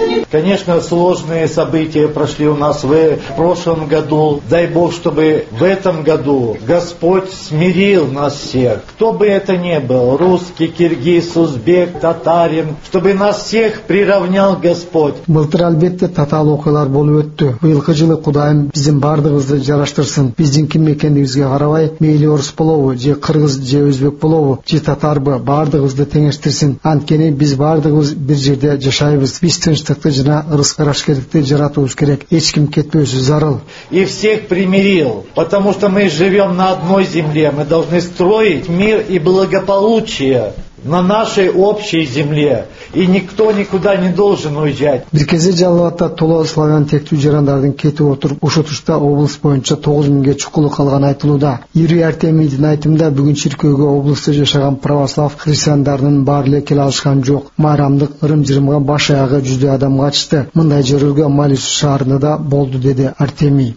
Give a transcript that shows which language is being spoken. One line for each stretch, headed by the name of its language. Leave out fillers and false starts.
Russian: Конечно, сложные события прошли у нас в прошлом году. Дай Бог, чтобы в этом году Господь смирил нас всех. Кто бы это ни был, русский, киргиз, узбек, татарин, чтобы нас всех приравнял Господь.
Kyrgyz: Былтыр албетте татаал окуялар болуп өттү. Быйылкы жылы Кудайым биздин баардыгыбызды жараштырсын. Биздин ким экенибизге карабай, мейли орус болобу, же кыргыз, же өзбек болобу, же татарбы, баардыгыбызды теңештирсин. Анткени биз баардыгыбыз бир жерде жашайбыз. Биз тынчтыкты жана ырыс-карашкерликти жаратуубуз керек. Эч ким кетпөөсү зарыл.
Russian: И всех примирил, потому что мы живем на одной земле. Мы должны строить мир и благополучие на нашей общей земле, и никто никуда не должен уезжать.
Kyrgyz: Бир кезде Жалабатта толо славян тектүү жарандардын кетип отуруп ушутушта облус боюнча 9000 чукулу калган айтылууда. Юрий Артемийдин айтымында бүгүн чиркөөгө облусту жашаган православ христиандарынын баары эле келе алышкан жок. Майрамдык ырым жырымга баш аягы 100 адам катышты. Мындай жөрүлгө Малис шаарында да болду, деди Артемий.